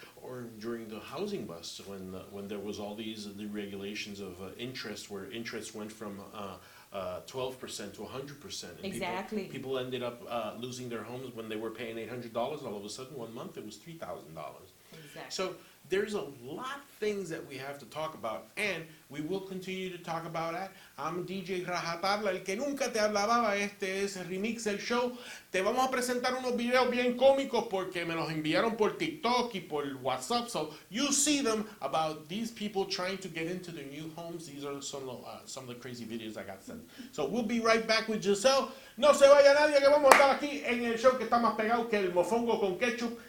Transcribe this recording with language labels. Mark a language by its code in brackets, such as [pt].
[en] Or during the housing bust, when there was all these the regulations of interest, where interest went from 12% to 100%. Exactly. People ended up losing their homes when they were paying $800. All of a sudden, one month, it was $3,000. Exactly. So there's a lot of things that we have to talk about, and we will continue to talk about that. [es] I'm DJ Rajatabla, el que nunca te hablaba. Este es Remix, el show. Te vamos a presentar unos videos bien cómicos porque me los enviaron por TikTok y por WhatsApp. [en] So you see them about these people trying to get into their new homes. These are some of the crazy videos I got sent. So we'll be right back with Giselle. [es] No se vaya nadie, que vamos a estar aquí en el show que está más pegado que el mofongo con ketchup.